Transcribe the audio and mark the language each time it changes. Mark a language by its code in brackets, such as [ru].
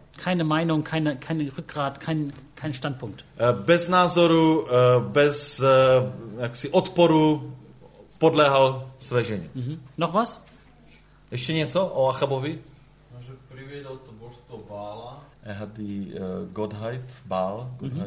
[de] Keine Meinung, kein Rückgrat, kein Standpunkt. [cs] Bez názoru, bez jaksi odporu podléhal své ženě. [de] Mhm. Noch was? [cs] Ještě něco o Achabovi? Že přivěděl to božstvo Bála. [de] Er hat die Gottheit Baal, Gottheit.